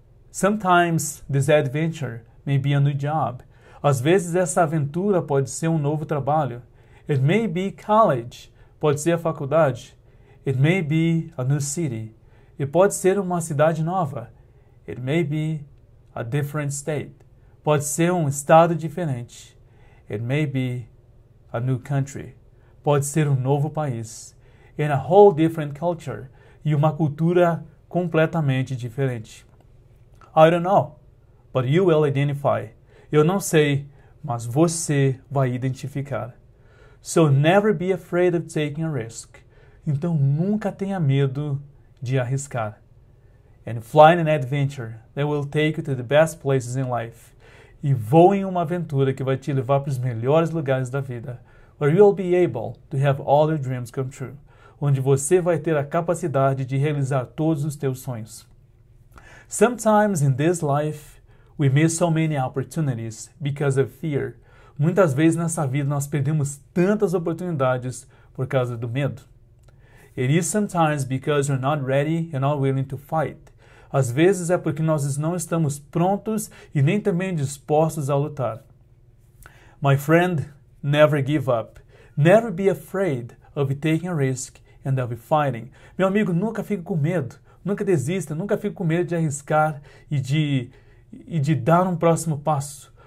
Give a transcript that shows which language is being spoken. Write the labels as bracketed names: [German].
[English] Sometimes this adventure may be a new job. [Portuguese] Às vezes essa aventura pode ser um novo trabalho. [English] It may be college. [Portuguese] Pode ser a faculdade. [English] It may be a new city. [Portuguese] E pode ser uma cidade nova. [English] It may be a different state. [Portuguese] Pode ser um estado diferente. [English] It may be a new country. [Portuguese] Pode ser um novo país. [English] And a whole different culture. [Portuguese] E uma cultura completamente diferente. [English] I don't know, but you will identify. [Portuguese] Eu não sei, mas você vai identificar. [English] So never be afraid of taking a risk. [Portuguese] Então nunca tenha medo de arriscar. [English] And fly in an adventure that will take you to the best places in life. [Portuguese] E voe em uma aventura que vai te levar para os melhores lugares da vida. [English] Where you will be able to have all your dreams come true. [Portuguese] Onde você vai ter a capacidade de realizar todos os teus sonhos. [English] Sometimes in this life, we miss so many opportunities because of fear. [Portuguese] Muitas vezes nessa vida nós perdemos tantas oportunidades por causa do medo. [English] It is sometimes because you're not ready and not willing to fight. [Portuguese] Às vezes é porque nós não estamos prontos e nem também dispostos a lutar. [English] My friend, never give up. Never be afraid of taking a risk and of fighting. [Portuguese] Meu amigo, nunca fique com medo. Nunca desista, nunca fique com medo de arriscar e de dar um próximo passo.